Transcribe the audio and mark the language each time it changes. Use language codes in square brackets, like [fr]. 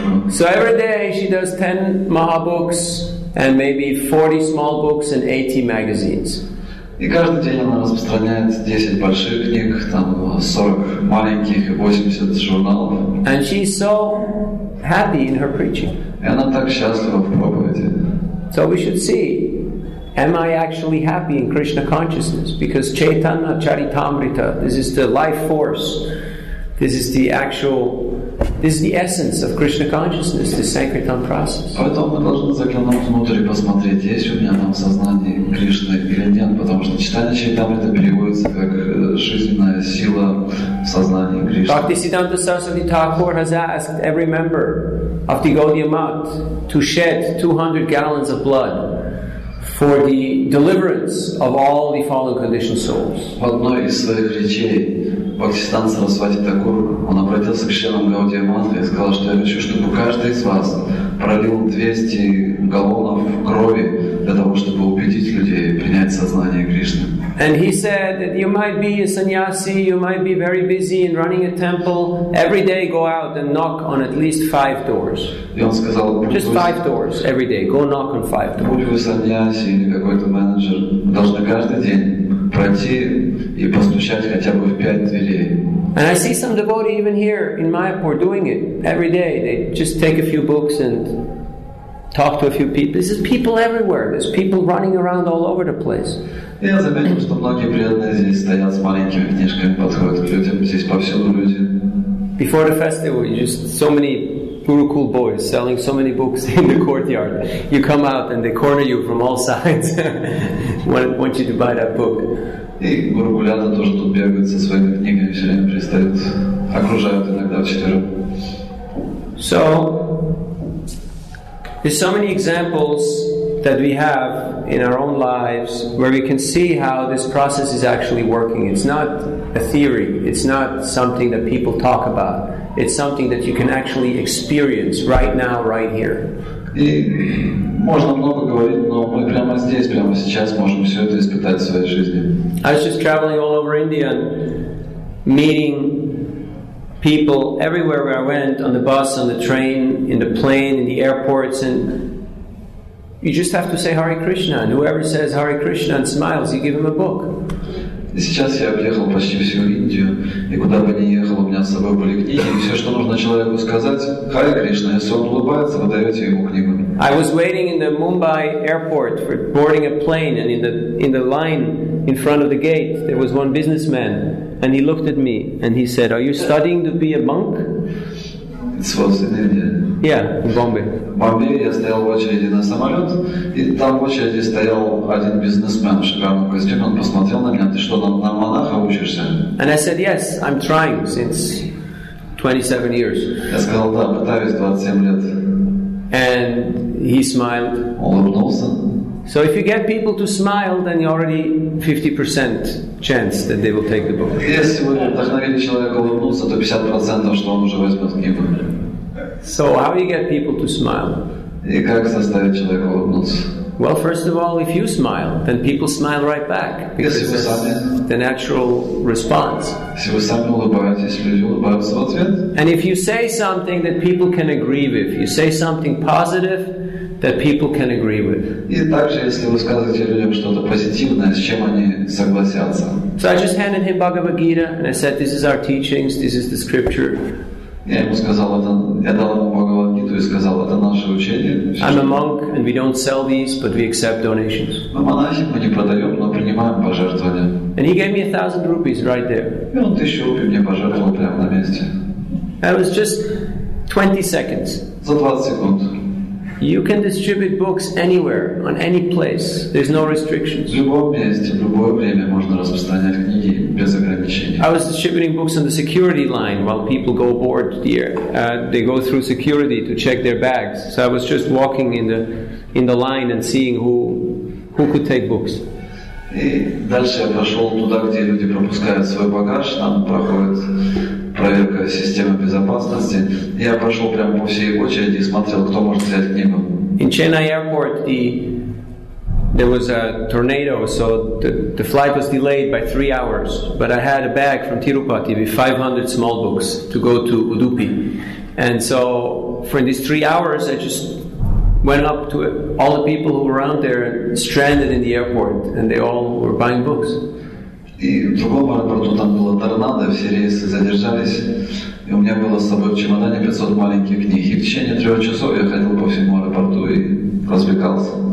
[en] So every day she does 10 Maha books and maybe 40 small books and 80 magazines. [ru] И каждый день она распространяет 10 больших книг, там 40 маленьких и 80 журналов. [en] And she is so happy in her preaching. [ru] И она так счастлива в проповеди. [en] So we should see, am I actually happy in Krishna consciousness? Because Chaitanya Charitamrita, this is the life force, this is the actual, this is the essence of Krishna consciousness, the Sankirtan process. [ru] Поэтому мы должны заглянуть внутрь и посмотреть, есть у меня там сознание Кришны или нет, потому что читание Чайтамрита переводится как жизненная сила в сознании Кришны. [en] Bhaktisiddhanta Saraswati Thakur has asked every member of the Gaudiya Math to shed 200 gallons of blood for the deliverance of all the fallen conditioned souls. [ru] В одной из своих речей Бхактисиддханта Сарасвати Такур, он обратился к членам Гаудия Матха и сказал, что я хочу, чтобы каждый из вас пролил 200 галлонов крови для того, чтобы убедить людей принять сознание Кришны. [en] And he said that you might be a sannyasi, you might be very busy in running a temple. Every day go out and knock on at least 5 doors. Just 5 doors every day. Go knock on 5 doors. And I see some devotee even here in Mayapur doing it every day. They just take a few books and talk to a few people. This is people everywhere. There's people running around all over the place. [ru] Я заметил, что многие преданные здесь стоят с маленькими книжками, подходят к людям, здесь повсюду люди. [en] Before the festival, just so many Gurukul boys selling so many books in the courtyard. You come out and they corner you from all sides, want you to buy that book. [ru] И гурукуляны тоже тут бегают со своими книгами, все время пристают, окружают иногда вчетвером. [en] So, there's so many examples that we have in our own lives where we can see how this process is actually working. It's not a theory. It's not something that people talk about. It's something that you can actually experience right now, right here. [ru] И можно много говорить, но мы прямо здесь, прямо сейчас можем все это испытать в своей жизни. [en] I was just traveling all over India and meeting people everywhere where I went, on the bus, on the train, in the plane, in the airports, and you just have to say Hare Krishna, and whoever says Hare Krishna and smiles, you give him a book. [ru] Сейчас я объехал почти всю Индию, и куда бы ни ехал, у меня с собой были книги, и все, что нужно человеку сказать, Hare Krishna, если он улыбается, вы даете ему книгу. [en] I was waiting in the Mumbai airport for boarding a plane, and in the line in front of the gate, there was one businessman, and he looked at me, and he said, are you studying to be a monk? This was in India. Yeah, in Bombay. [ru] В Бомбее я стоял в очереди на самолет, и там в очереди стоял один бизнесмен в шикарном костюме. Он посмотрел на меня, ты что, на монаха учишься? [en] And I said, yes, I'm trying since 27 years. [ru] Я сказал, да, пытаюсь 27 лет. [en] And he smiled. [ru] Он улыбнулся. [en] So if you get people to smile, then you already 50% chance that they will take the book. [ru] Если вы вдохновили человека улыбнуться, то 50%, что он уже возьмет книгу. [en] So how do you get people to smile? [ru] И как заставить человека улыбнуться? [en] Well, first of all, if you smile, then people smile right back. Because [ru] если вы сами, [en] the natural response. [ru] Если вы сами улыбаетесь, люди улыбаются в ответ. [en] And if you say something that people can agree with, you say something positive that people can agree with. [ru] И также, если вы скажете людям что-то позитивное, с чем они согласятся. [en] So I just handed him Bhagavad Gita and I said, this is our teachings, this is the scripture. [ru] Я ему сказал, я дал ему Бхагавад Гиту и сказал, это наше учение. [en] I'm a monk and we don't sell these, but we accept donations. [ru] Мы монахи, мы не продаем, но принимаем пожертвования. [en] And he gave me 1,000 rupees right there. [ru] И он 1,000 рупий мне пожертвовал прямо на месте. [en] That was just 20 seconds. [ru] За 20 секунд. [en] You can distribute books anywhere, on any place. There's no restrictions. [ru] В любом месте, в любое время можно распространять книги без ограничений. [en] I was distributing books on the security line while people go board here. They go through security to check their bags. So I was just walking in the line and seeing who could take books. [ru] И дальше я пошел туда, где люди пропускают свой багаж, там проходит проверка системы безопасности. Я пошел прямо по всей очереди и смотрел, кто может взять книгу. [en] In Chennai Airport, there was a tornado, so the flight was delayed by 3 hours. But I had a bag from Tirupati with 500 small books to go to Udupi. And so for these 3 hours, I just went up to all the people who were around there stranded in the airport, and they all were buying books. [ru] И в другом аэропорту там было торнадо, все рейсы задержались, и у меня было с собой в чемодане 500 маленьких книг. И в течение 3 часов я ходил по всему аэропорту и развлекался.